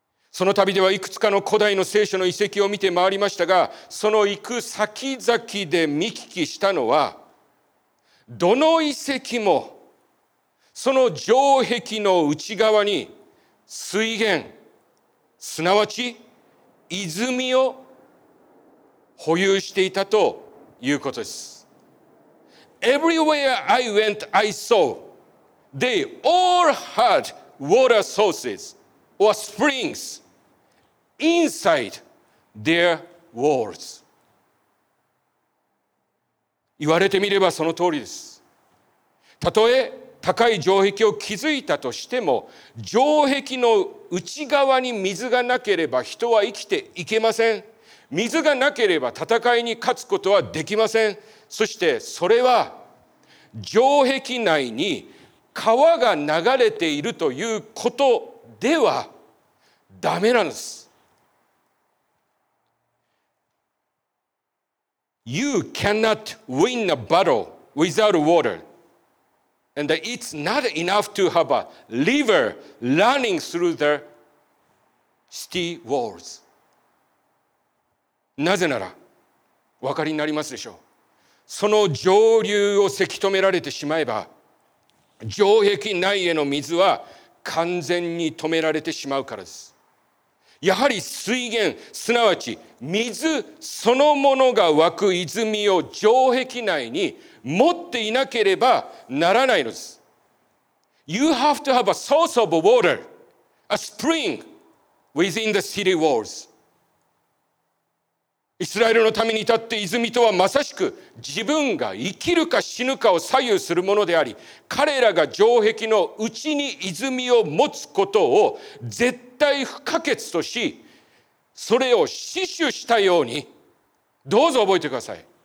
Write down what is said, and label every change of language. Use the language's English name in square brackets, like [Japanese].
[Japanese] その旅ではいくつかの古代の聖書の遺跡を見て回りましたが、その行く先々で見聞きしたのは、どの遺跡もその城壁の内側に水源、すなわち泉を保有していたということです。 [English] Everywhere I went, I saw they all had water sources or springs inside their walls。 [Japanese] 言われてみればその通りです。たとえ高い城壁を築いたとしても、城壁の内側に水がなければ人は生きていけません。水がなければ戦いに勝つことはできません。そしてそれは城壁内に川が流れているということではダメなんです。 [English] You cannot win a battle without water and it's not enough to have a river running through the city walls。 [Japanese] なぜなら、お分かりになりますでしょう。その上流をせき止められてしまえば、城壁内への水は完全に止められてしまうからです。やはり水源、すなわち水そのものが湧く泉を城壁内に持っていなければならないのです。 [English] You have to have a source of water, a spring within the city walls. [Japanese] イスラエルのために立って泉とはまさしく自分が生きるか死ぬかを左右するものであり、彼らが城壁の内に泉を持つことを絶対不可欠とし、それを死守したように、どうぞ覚えてください、